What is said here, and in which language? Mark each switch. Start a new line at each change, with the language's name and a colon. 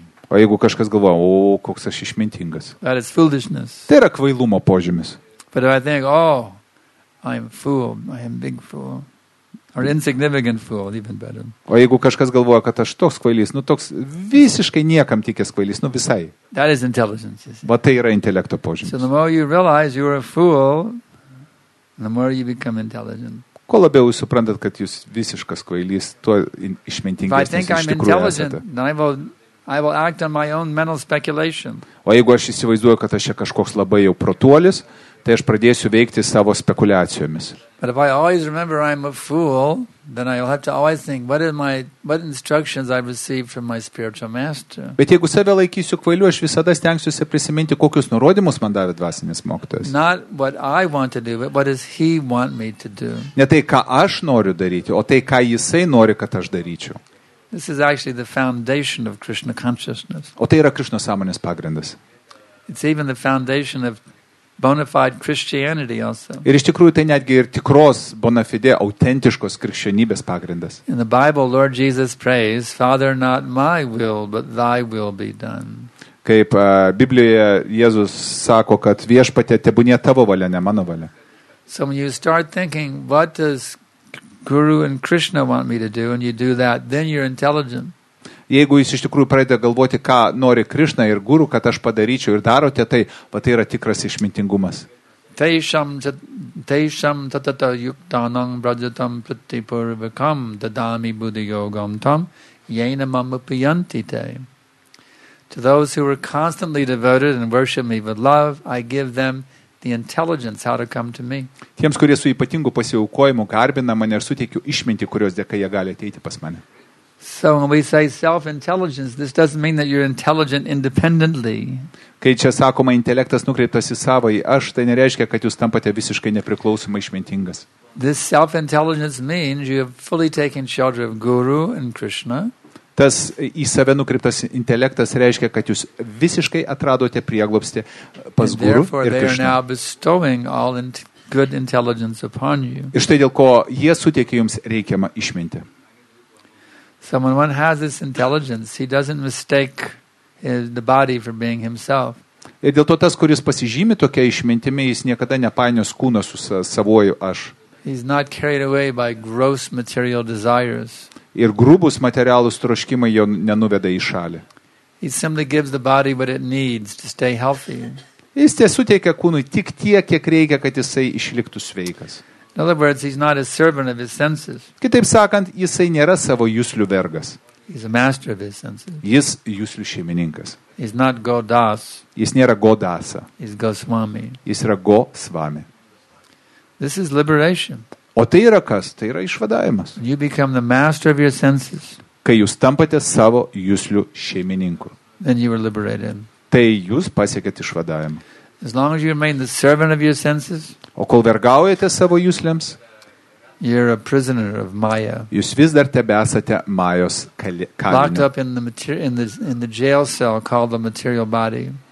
Lithuanian: O jeigu kažkas galvoja, o koks aš išmintingas.
English: That is foolishness.
Lithuanian: Tai yra kvailumo požymis.
English: But if I think, I'm a fool, I am big fool. Or insignificant fool, even better.
Lithuanian: O jeigu kažkas galvoja, kad aš toks kvailys, nu toks visiškai niekam tikęs kvailys, nu visai.
English: That is intelligence, you see.
Lithuanian: Va tai yra intelekto požymis.
English: So the more you realize you're a fool, the more you become intelligent.
Lithuanian: Kuo labiau jūs suprantat, kad jūs visiškas kvailys, tuo išmintingesnis iš tikrųjų esate.
English: I will act on my own mental speculation.
Lithuanian: O jeigu aš įsivaizduoju, kad aš čia kažkoks labai jau protuolis, tai aš pradėsiu veikti savo spekuliacijomis.
English: But if I always remember I'm a fool, then I'll have to always think what instructions I received from my spiritual master.
Lithuanian: Bet jeigu save laikysiu kvailiu, aš visada stengsiuosi prisiminti, kokius nurodymus man davė dvasinis mokytojas.
English: Not what I want to do, but what does he want me to do?
Lithuanian: Ne tai, ką aš noriu daryti, o tai, ką jisai nori, kad aš daryčiau.
English: This is actually the foundation of Krishna consciousness.
Lithuanian: O tai yra Krishna sąmonės pagrindas.
English: It's even the foundation of bona fide Christianity also.
Lithuanian: Ir iš tikrųjų tai netgi ir tikros bona fide autentiškos krikščionybės pagrindas.
English: In the Bible Lord Jesus prays, "Father, not my will, but thy will be done."
Lithuanian: Kaip Biblijoje Jėzus sako, kad viešpatie tebūnie tavo valia, ne mano valia.
English: So when you start thinking, what does Guru and Krishna want me to do, and you do that, then you're intelligent.
Lithuanian: Jeigu jūs iš tikrųjų pradeda galvoti, ką nori Krishna ir Guru, kad aš padaryčiau ir darote tai, va tai yra tikras išmintingumas.
Sanskrit: Teisham tatata yuktanam brajatam pratipurvakam dadami buddhi yogam tam yenamam upiyanti te.
English: To those who are constantly devoted and worship me with love, I give them the intelligence how to come to me.
Lithuanian: Tiems, kurie su ypatingu pasiaukojimu garbina mane ir suteikiu išmintį, kurios dėka jie gali ateiti pas mane.
English: So when we say self-intelligence, this doesn't mean that you're intelligent independently.
Lithuanian: Kai čia sakoma intelektas nukreiptas į savąjį aš, tai nereiškia, kad jūs tampate visiškai nepriklausomai išmintingas.
English: This self-intelligence means you have fully taken shelter of Guru and Krishna.
Lithuanian: Tas į save nukreiptas intelektas reiškia, kad jūs visiškai atradote prieglobstį pas Guru ir Krishna.
English: They are now bestowing all good intelligence upon you.
Lithuanian: Ir štai dėl ko jie suteikia jums reikiamą išmintį.
English: So when one has this intelligence, he doesn't mistake the body for being himself.
Lithuanian: Ir dėl to tas, kuris pasižymi tokia išmintimi, jis niekada nepainios kūną su savoju aš.
English: He's not carried away by gross material desires.
Lithuanian: Ir grubus materialus troškimai jo nenuveda į šalį.
English: He simply gives the body what it needs to stay healthy.
Lithuanian: Jis tesuteikia kūnui tik tiek, kiek reikia, kad jisai išliktų sveikas.
English: In other words, he's not a servant of his senses.
Lithuanian: Kitaip sakant, jisai nėra savo juslių vergas.
English: He's a master of his senses.
Lithuanian: Jis juslių šeimininkas.
English: He's not Godas.
Lithuanian: Jis nėra Godasa.
English: He's Goswami.
Lithuanian: Jis yra Goswami.
English: This is liberation.
Lithuanian: O tai yra kas? Tai yra išvadavimas.
English: You become the master of your senses.
Lithuanian: Kai jūs tampate savo juslių šeimininku.
English: Then you are liberated.
Lithuanian: Tai jūs pasiekėte išvadavimą.
English: As long as you remain the servant of your senses,
Lithuanian: o kol vergaujate savo juslėms,
English: you're a prisoner of Maya.
Lithuanian: Jūs vis dar tebesate Majos kalinė.
English: Locked up in the jail cell called the material body.